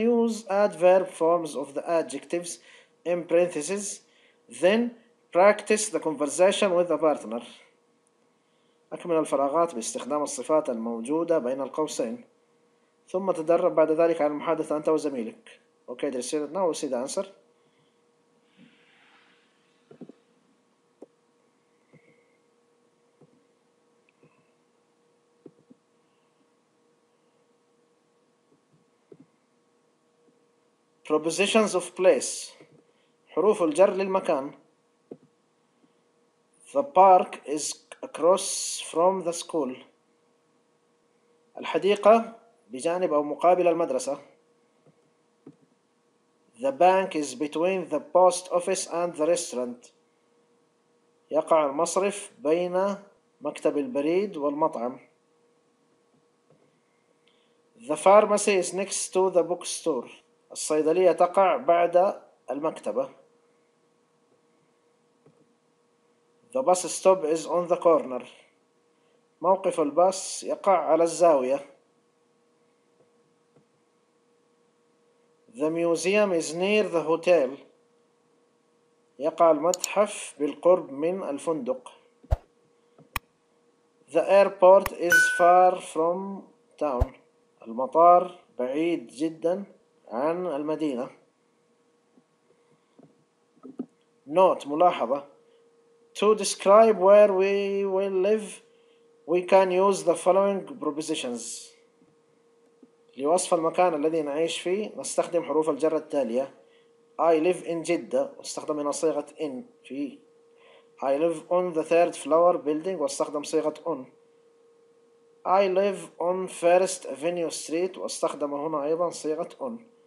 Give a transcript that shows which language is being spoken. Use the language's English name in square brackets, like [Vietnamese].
[English] Use adverb forms of the adjectives in parentheses, then practice the conversation with the partner. [Arabic] أكمل الفراغات باستخدام الصفات الموجودة بين القوسين، ثم تدرب بعد ذلك على المحادثة أنت وزميلك. [English] Okay, the student now will see the answer. Propositions of place. [Arabic] حروف الجر للمكان. [English] The park is across from the school. [Arabic] الحديقة بجانب أو مقابل المدرسة. [English] The bank is between the post office and the restaurant. [Arabic] يقع المصرف بين مكتب البريد والمطعم. [English] The pharmacy is next to the bookstore. [Arabic] الصيدلية تقع بعد المكتبة. [English] The bus stop is on the corner. [Arabic] موقف الباص يقع على الزاوية. [English] The museum is near the hotel. [Arabic] يقع المتحف بالقرب من الفندق. [English] The airport is far from town. [Arabic] المطار بعيد جدا عن المدينة. [English] Note ملاحظة. To describe where we will live, we can use the following propositions. [Arabic] لوصف المكان الذي نعيش فيه نستخدم حروف الجر التالية. [English] I live in Jeddah [Arabic] واستخدم هنا صيغة [English] in في. I live on the third floor building [Arabic] واستخدم صيغة [English] on. I live on First Avenue Street [Arabic] واستخدم هنا أيضا صيغة [English] on.